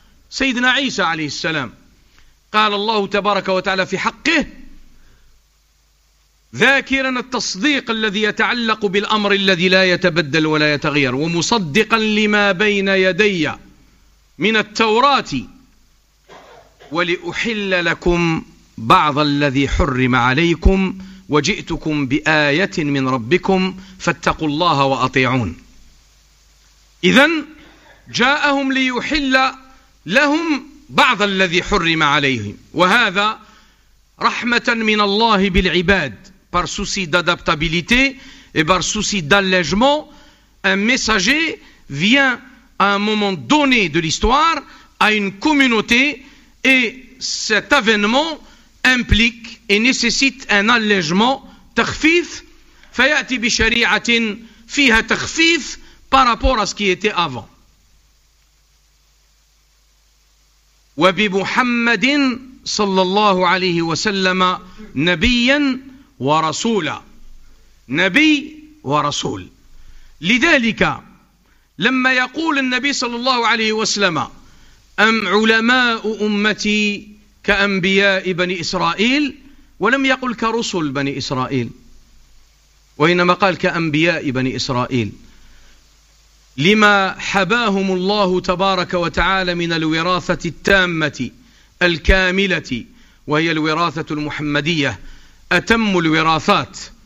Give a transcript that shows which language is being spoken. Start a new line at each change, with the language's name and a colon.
Arabic: سيدنا عيسى عليه السلام، قال الله تبارك وتعالى في حقه: ذاكرا التصديق الذي يتعلق بالأمر الذي لا يتبدل ولا يتغير، ومصدقا لما بين يدي من التوراة، ولأحل لكم بعض الذي حرم عليكم، وجئتكم بآية من ربكم فاتقوا الله وأطيعون. إذن جاءهم ليحل لهم بعض الذي حرم عليهم، وهذا رحمة من الله بالعباد.
French: Par souci d'adaptabilité et par souci d'allègement, un messager vient à un moment donné de l'histoire à une communauté, et cet avènement implique et nécessite un allègement, takhfif,
Arabic: fayati bi shari'atin fiha takhfif
French: par rapport à ce qui était avant.
Arabic: Wa bi Muhammadin sallallahu alayhi wa sallama nabiyan ورسولا، نبي ورسول. لذلك لما يقول النبي صلى الله عليه وسلم: أم علماء أمتي كأنبياء بني إسرائيل، ولم يقل كرسل بني إسرائيل، وإنما قال كأنبياء بني إسرائيل، لما حباهم الله تبارك وتعالى من الوراثة التامة الكاملة، وهي الوراثة المحمدية أتم الوراثات.